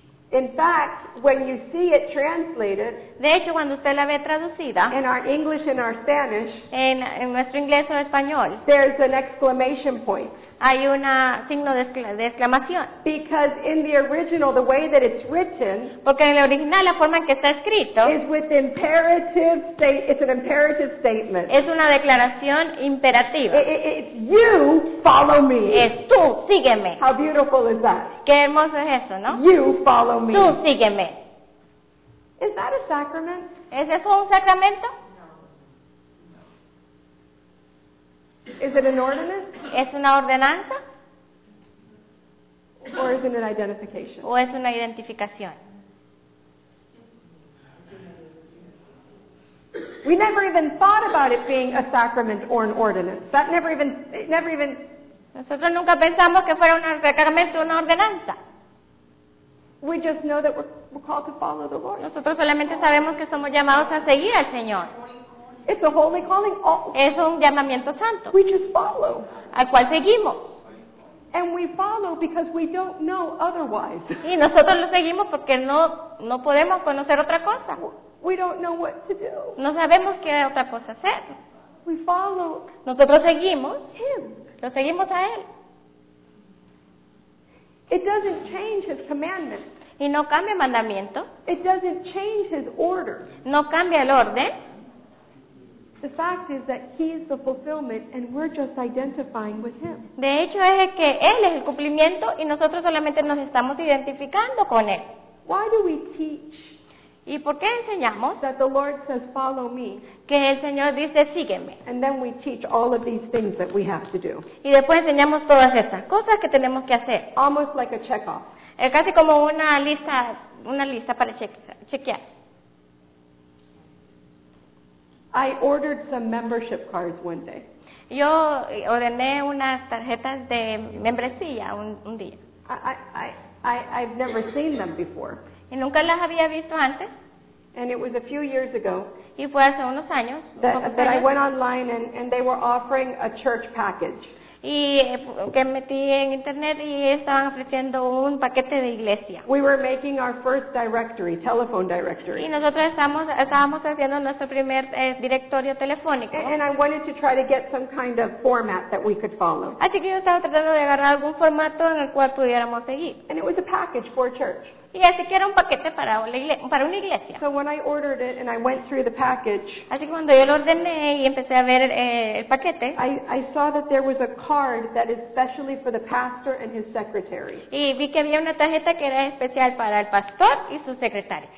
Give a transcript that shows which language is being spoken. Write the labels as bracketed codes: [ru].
[en] In fact, when you see it translated, [es] de hecho, cuando usted la ve traducida, [en] in our English and our Spanish, [es] en nuestro inglés o español, [en] there's an exclamation point. [es] Hay un signo de exclamación. [en] Because in the original, the way that it's written, [es] porque en el original la forma en que está escrito, [en] is with imperative state. It's an imperative statement. [es] Es una declaración imperativa. [en] It's you, follow me. [es] Es tú, sígueme. [en] How beautiful is that? [es] Qué hermoso es eso, ¿no? [en] You, follow me. [es] Tú, sígueme. [en] Is that a sacrament? [es] ¿Es eso un sacramento? [en] Is it an ordinance? [es] ¿Es una ordenanza? [en] Or is it an identification? [es] ¿O es una identificación? [en] We never even thought about it being a sacrament or an ordinance. That never even. [es] Nosotros nunca pensamos que fuera un sacramento o una ordenanza. [en] We just know that we're called to follow the Lord. [es] Nosotros solamente sabemos que somos llamados a seguir al Señor. [en] It's a holy calling. [es] Es un llamamiento santo. [en] We just follow. [es] Al cual seguimos. [en] And we follow because we don't know otherwise. [es] Y nosotros lo seguimos porque no podemos conocer otra cosa. [en] We don't know what to do. [es] No sabemos qué otra cosa hacer. [en] We follow. [es] Nosotros seguimos. [en] Him. [es] Lo seguimos a él. [en] It doesn't change his commandment. [es] Y no cambia mandamiento. [en] It doesn't change his order. [es] No cambia el orden. [en] The fact is that he is the fulfillment and we're just identifying with him. [es] De hecho es que él es el cumplimiento y nosotros solamente nos estamos identificando con él. [en] Why do we teach? [es] ¿Y por qué enseñamos? [en] That the Lord says follow me. [es] Que el Señor dice sígueme. [en] And then we teach all of these things that we have to do. [es] Y después enseñamos todas estas cosas que tenemos que hacer. [en] Almost like a check off. [es] Es casi como una lista para chequear. [en] I ordered some membership cards one day. [es] Yo ordené unas tarjetas de membresía un día. [en] I've never seen them before. [es] Y nunca las había visto antes. [en] And it was a few years ago. [es] Y fue hace unos años. [en] That I went online and they were offering a church package. [es] Y que metí en internet y estaban ofreciendo un paquete de iglesia. [en] We were making our first directory, telephone directory. [es] Y nosotros estábamos haciendo nuestro primer directorio telefónico. [en] And I wanted to try to get some kind of format that we could follow. [es] Así que yo estaba tratando de agarrar algún formato en el cual pudiéramos seguir. [en] And it was a package for church. [es] Y así que era un paquete para una iglesia. [en] So when I ordered it and I went through the package, [es] así que cuando yo lo ordené y empecé a ver el paquete, [en] I saw that there was a card that is specially for the pastor and his secretary. [es] Y vi que había una tarjeta que era especial para el pastor y su secretaria.